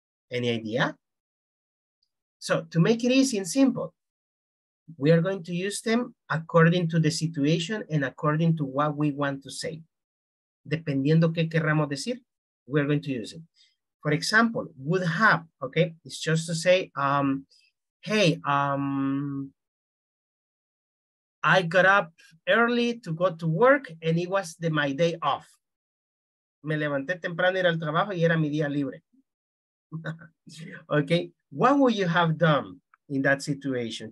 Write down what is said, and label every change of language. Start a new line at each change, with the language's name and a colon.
English: Any idea? So to make it easy and simple, we are going to use them according to the situation and according to what we want to say.
Spanish: Dependiendo qué querramos decir,
English: we're going to use it. For example, would have, okay? It's just to say, hey, I got up early to go to work and it was my day off.
Spanish: Me levanté temprano ir al trabajo y era mi día libre.
English: Okay, what would you have done in that situation?